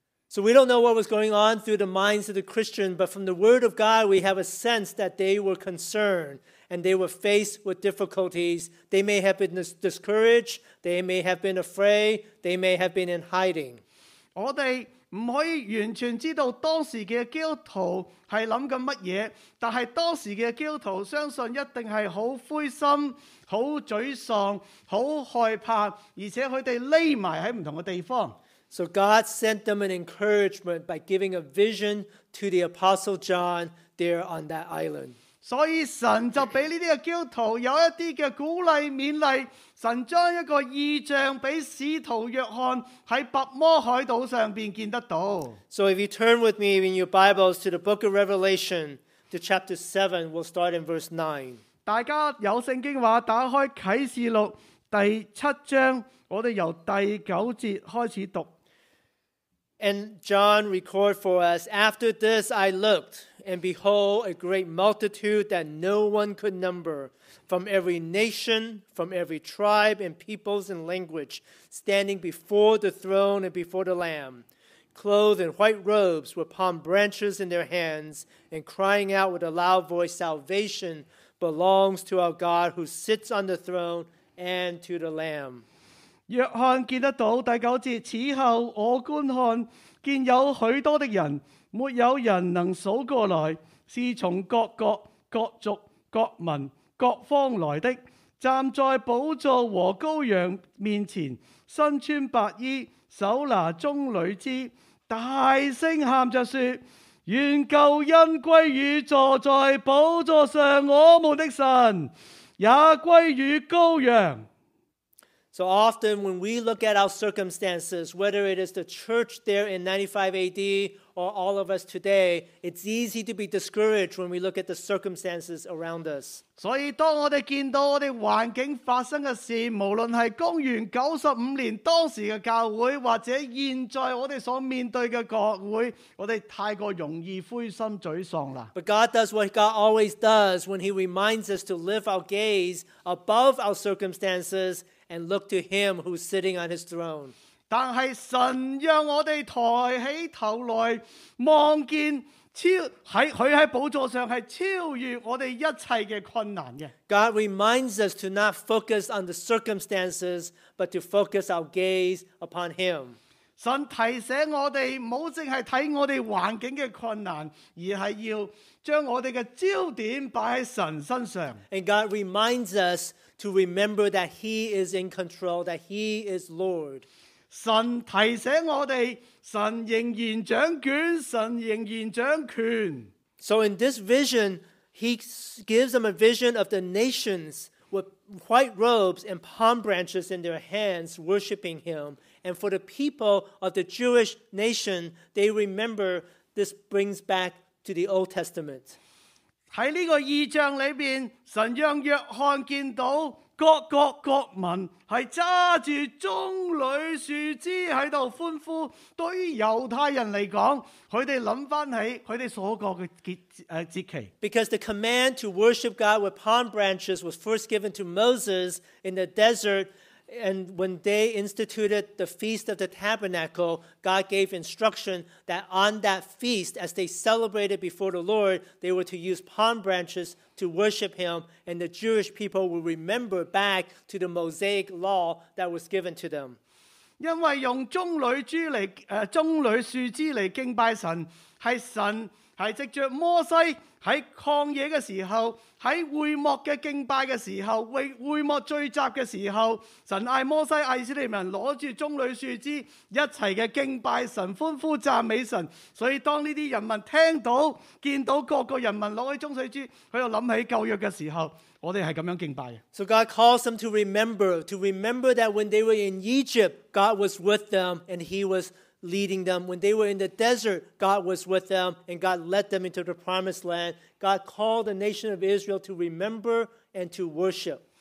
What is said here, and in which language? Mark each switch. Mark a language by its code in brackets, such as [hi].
[en] So we don't know what was going on through the minds of the Christian, but from the word of God, we have a sense that they were concerned and they were faced with difficulties. They may have been discouraged, they may have been afraid, they may have been in hiding. [zh] 我们不可以完全知道当时的基督徒是想着什么，但是当时的基督徒相信一定是很灰心、很沮丧、很害怕，而且他们躲在不同的地方。 [en] So God sent them an encouragement by giving a vision to the Apostle John there on that island. [zh] 所以神就给这些基督徒有一些的鼓励、勉励，神将一个异象给使徒约翰在白魔海岛上面见得到。 [en] So if you turn with me in your Bibles to the book of Revelation, to chapter 7, we'll start in verse 9. [zh] 大家有圣经的话，打开启示录第七章，我们由第九节开始读。 [en] And John record for us, after this I looked, and behold, a great multitude that no one could number. From every nation, from every tribe and peoples and language, standing before the throne and before the Lamb, clothed in white robes with palm branches in their hands, and crying out with a loud voice, Salvation belongs to our God who sits on the throne and to the Lamb. [zh] 约翰见得到第九节，此后我观看，见有许多的人，没有人能数过来，是从各国、各族、各民。各方来的站在宝座和羔羊面前，身穿白衣，手拿棕榈枝，大声喊着说：愿救恩归于坐在宝座上我们的神，也归于羔羊。 [en] So often when we look at our circumstances, whether it is the church there in 95 AD or all of us today, it's easy to be discouraged when we look at the circumstances around us. [zh] 所以当我们见到我们环境发生的事，无论是公元95年当时的教会，或者现在我们所面对的国会，我们太过容易灰心沮丧了。 [en] But God does what God always does when he reminds us to lift our gaze above our circumstances,and look to him who's sitting on his throne. [zh] 但是神让我们抬起头来，望见他在宝座上是超越我们一切的困难的。 [en] God reminds us to not focus on the circumstances, but to focus our gaze upon him. [zh] 神提醒我们不要只是看我们环境的困难，而是要将我们的焦点放在神身上。 [en] And God reminds us,to remember that he is in control, that he is Lord. [zh] 神提醒我们，神仍然掌权，神仍然掌权。 [en] So in this vision, he gives them a vision of the nations with white robes and palm branches in their hands worshiping him. And for the people of the Jewish nation, they remember this brings back to the Old Testament. [zh] 在这个异象里面，神让约翰见到各国国民是拿着棕榈树枝在那里欢呼。对于犹太人来讲，他们想回起他们所过的节期。 [en] Because the command to worship God with palm branches was first given to Moses in the desert, and when they instituted the Feast of the Tabernacle, God gave instruction that on that feast, as they celebrated before the Lord, they were to use palm branches to worship Him, and the Jewish people will remember back to the Mosaic law that was given to them. [zh] 因为用棕榈树枝来敬拜神，是神是藉着摩西在旷野的时候，在会幕的敬拜的时候，为会幕聚集的时候，神嗌摩西、嗌以色列人拿着棕榈树枝一起的敬拜神，欢呼赞美神。所以当这些人民听到、见到各个人民拿着棕榈枝，他就想起旧约的时候，我们是这样敬拜的。 [en] So God calls them to remember that when they were in Egypt, God was with them and He was leading them. When they were in the desert, God was with them, and God led them into the promised land. God called the nation of Israel to remember and to worship.